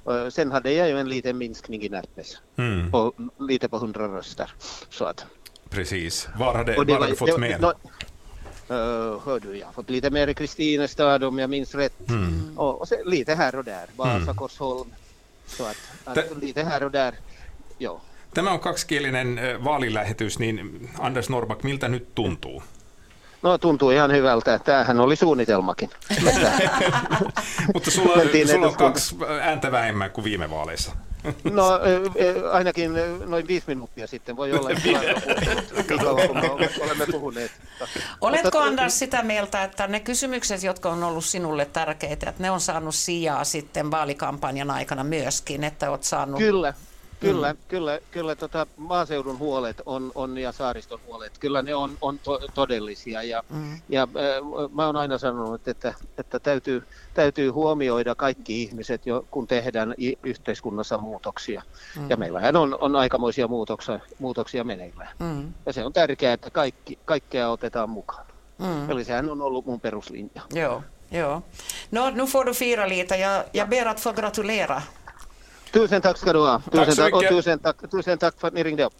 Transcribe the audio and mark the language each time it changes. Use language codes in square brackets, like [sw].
[sv] Sen hade jag ju en liten minskning i Närpes på lite på 100 röster. Så att, precis. Var har du fått mer? Jag har fått lite mer i Kristinestad om jag minns rätt. Mm. Och sen lite här och där, Vasa, Korsholm. Så att lite här och där, ja. [fi] Tämä on kaksikielinen vaalilähetys, niin Anders Norrback, miltä nyt tuntuu? No tuntuu ihan hyvältä. Tämähän oli suunnitelmakin. Mutta sulla on kaksi ääntä vähemmän kuin viime vaaleissa. No ainakin noin 5 minuuttia sitten voi olla, kun olemme puhuneet. Oletko Anders sitä mieltä, että ne kysymykset, jotka on ollut sinulle tärkeitä, että ne on saanut sijaa sitten vaalikampanjan aikana myöskin, että olet saanut... Kyllä. Kyllä, maaseudun huolet on ja saariston huolet, kyllä ne on todellisia ja mä oon aina sanonut, että täytyy huomioida kaikki ihmiset jo, kun tehdään yhteiskunnassa muutoksia. Ja meillähän on aikamoisia muutoksia meneillään. Ja se on tärkeää, että kaikkea otetaan mukaan. Eli sehän on ollut mun peruslinja. Joo. [sv] No, nu får du fira lite ja ber att få gratulera. Tusen tack ska du ha. Tusen tack för att ni ringde upp.